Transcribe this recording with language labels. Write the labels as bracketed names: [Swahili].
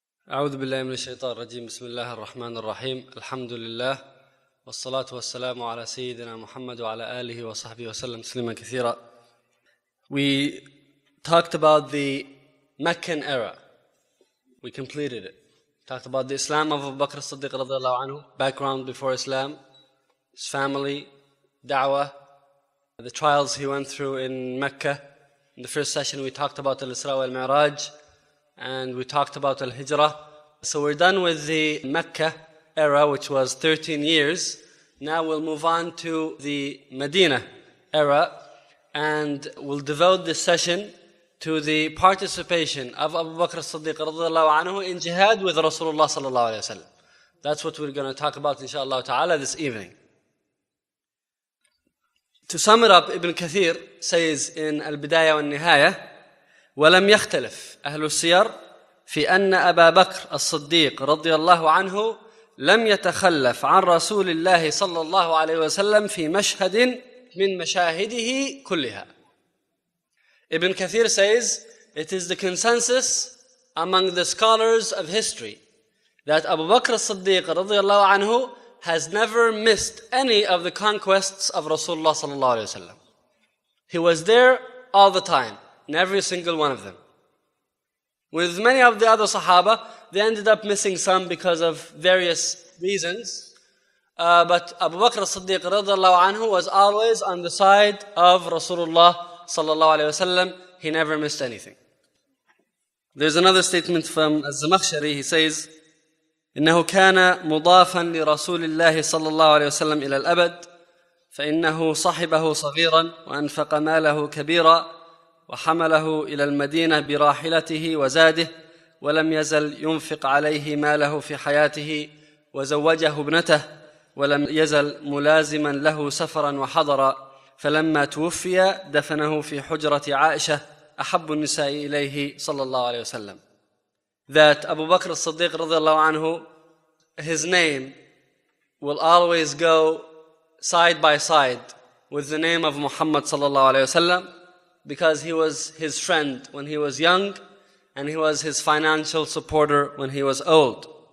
[Arabic] أعوذ بالله من الشيطان الرجيم. بسم الله الرحمن الرحيم. الحمد لله والصلاة والسلام على سيدنا محمد وعلى آله وصحبه وسلم تسليما كثيرا. [English] We talked about the Meccan era. We completed it. Talked about the Islam of Abu Bakr al-Siddiq رضي الله عنه. Background before Islam. His family. Da'wah. The trials he went through in Mecca. In the first session we talked about al-Isra wa al-Mi'raj. And we talked about Al-Hijrah. So we're done with the Mecca era, which was 13 years. Now we'll move on to the Medina era. And we'll devote this session to the participation of Abu Bakr as-Siddiq radiallahu anhu in jihad with Rasulullah sallallahu alayhi wa sallam. That's what we're going to talk about, inshallah ta'ala, this evening. To sum it up, Ibn Kathir says in Al-Bidayah wa Al-Nihayah, [Arabic] ولم يختلف أهل السير في أن أبا بكر الصديق رضي الله عنه لم يتخلف عن رسول الله صلى الله عليه وسلم في مشهد من مشاهده كلها. [English] Ibn Kathir says, it is the consensus among the scholars of history that Abu Bakr الصديق رضي الله عنه has never missed any of the conquests of Rasulullah صلى الله عليه وسلم. He was there all the time. In every single one of them. With many of the other Sahaba, they ended up missing some because of various reasons. But Abu Bakr as-Siddiq radiallahu anhu was always on the side of Rasulullah sallallahu alayhi wasallam. He never missed anything. There's another statement from Az-Zamakhshari. He says, [Arabic] إنه كان مضافا لرسول الله صلى الله عليه وسلم إلى الأبد فإنه صحبه صغيرا وأنفق ماله كبيرا وحمله إلى المدينة براحلته وزاده ولم يزل ينفق عليه ماله في حياته وزوجه ابنته ولم يزل ملازما له سفرا وحضرا فلما توفي دفنه في حجرة عائشة أحب النساء إليه صلى الله عليه وسلم. [English] That Abu Bakr al-Siddiq رضي الله عنه, his name will always go side by side with the name of Muhammad صلى الله عليه وسلم, because he was his friend when he was young and he was his financial supporter when he was old.